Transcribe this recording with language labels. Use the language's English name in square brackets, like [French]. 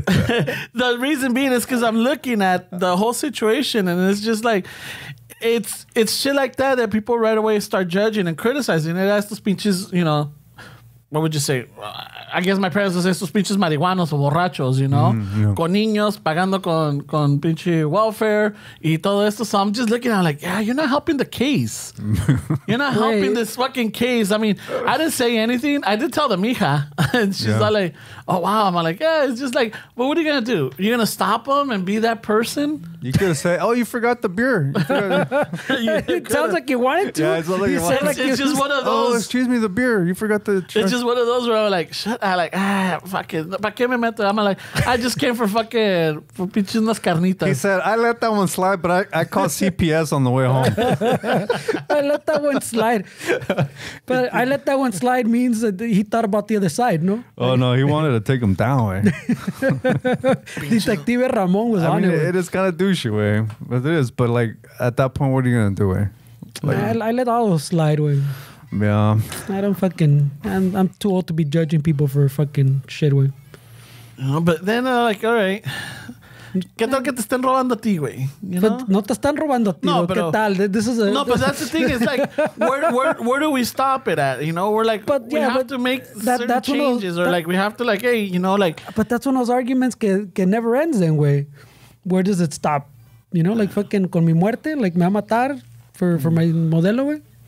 [English] The reason being is because I'm looking at the whole situation, and it's just like... It's shit like that that people right away start judging and criticizing. It has the speeches, you know, what would you say? I guess my parents would say [Spanish] estos pinches marihuanos o borrachos, [English] you know? Yeah. [Spanish] Con niños, pagando con pinche welfare y todo esto. [English] So I'm just looking at it like, yeah, you're not helping the case. You're not helping this fucking case. I mean, I didn't say anything. I did tell the mija. And she's all like, oh, wow. I'm like, yeah, it's just like, well, what are you going to do? You're going to stop them and be that person? You could have said, oh, you forgot the beer. It sounds like you wanted to. Yeah, it's just one of those. Oh, excuse me, the beer. You forgot the truck. It's just one of those where I'm like, shut up. I'm like, fuck it. [Spanish] ¿Para qué me meto? [English] I'm like, I just came for fucking, for [Spanish] pinches unas carnitas. [English] He said, I let that one slide, but I called CPS on the way home. I let that one slide. But I let that one slide means that he thought about the other side, no? Oh, no, he wanted to take him down, eh? Detective Ramon was on it. It is kind of douchey, way. But it is, but like, at that point, what are you going to do, eh? Like, I let all those slide, way. Yeah. I don't fucking... I'm too old to be judging people for fucking shit, way. No, but then I'm like, all right. [Spanish] ¿Qué tal que te están robando a ti, güey? [English] You know? [Spanish] No te están robando a ti, no, pero, ¿qué tal? [English] This is a, no, but that's the thing. It's like, where do we stop it at? You know, we're like, but, we have to make certain changes. Those, or that, like, we have to like, hey, you know, like... But that's one of those arguments que never ends then, güey. Where does it stop? You know, like fucking [Spanish] con mi muerte, [English] like [Spanish] me va a matar [English] for my modelo, güey.